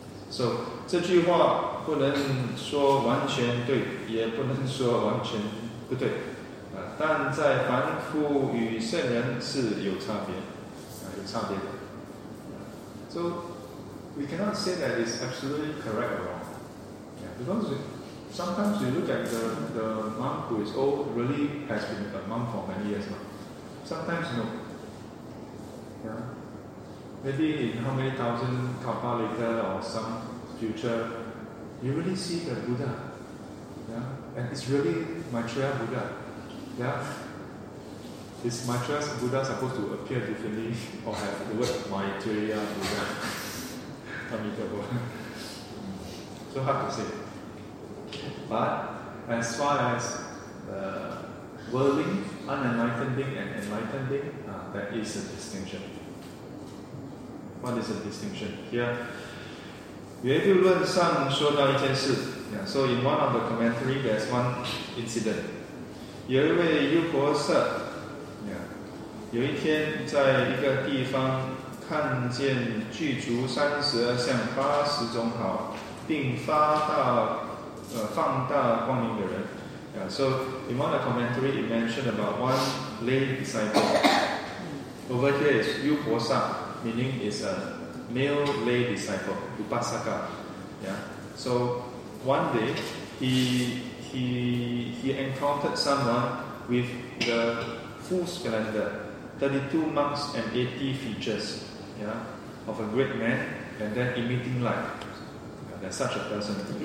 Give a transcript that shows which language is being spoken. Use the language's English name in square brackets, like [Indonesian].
[Chinese] So 这句话不能说完全对，也不能说完全不对。但在凡夫与圣人是有差别，有差别的。 [English] So we cannot say that it's absolutely correct or wrong. Yeah, because sometimes you look at the monk who is old, really has been a monk for many years. Sometimes no. Yeah, maybe in how many thousand kalpa later or some future, you really see the Buddha. Yeah, and it's really Maitreya Buddha. Yeah, is Maitreya Buddha supposed to appear differently or have the word Maitreya Buddha? Amitabha. So hard to say. But as far as worldling, unenlightening, and enlightening, that is a distinction. What is a distinction? Here, [Chinese] 圆谬论上说到一件事. [English] Yeah, so in one of the commentary, there's one incident. [Chinese] 有一位优婆塞， yeah, 有一天在一个地方看见具足三十二相八十种好，并发大放大光明的人。 [English] Yeah, so in one of the commentary, it mentioned about one lay disciple. Over here is 优婆塞， meaning is a male lay disciple, Upasaka. Yeah, so one day he encountered someone with the full splendor, 32 monks and 80 features, yeah, of a great man, and then emitting light. There's such a person.